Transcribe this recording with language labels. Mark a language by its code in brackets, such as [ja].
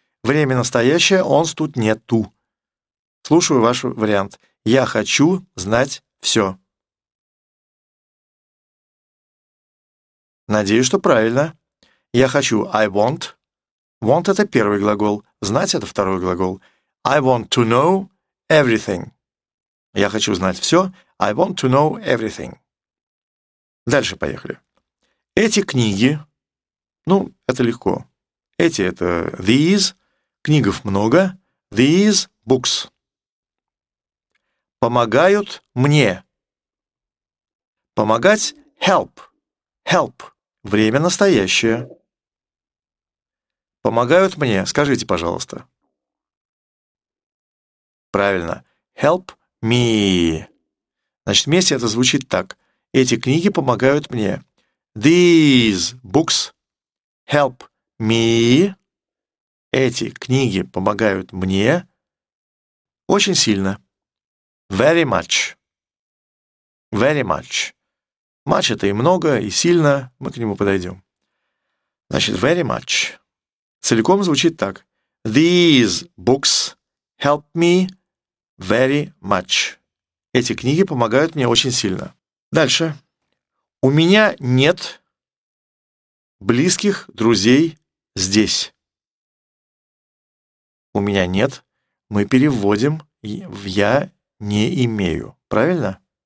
[ru] Время настоящее, онс тут нету. Слушаю ваш вариант. Я хочу знать все. Надеюсь, что правильно. Я хочу – [en] I want. [ru] Want – это первый глагол. Знать – это второй глагол. [en] I want to know everything. [ru] Я хочу знать все. [en] I want to know everything. [ru] Дальше поехали. Эти книги, ну, это легко. Эти – это these, книгов много, these – books. Помогают мне. Помогать – help. Help – время настоящее. Помогают мне, скажите, пожалуйста. Правильно. [en] Help me. [ru] Значит, вместе это звучит так. Эти книги помогают мне. [en] These books help me. [ru] Эти книги помогают мне очень сильно. [en] Very much. Very much. [ru] Much – это и много, и сильно. Мы к нему подойдем. Значит, [en] very much. [ru] Целиком звучит так. [en] These books help me very much. [ru] Эти книги помогают мне очень сильно. Дальше. У меня нет близких друзей здесь. У меня нет. Мы переводим в «я не имею». Правильно?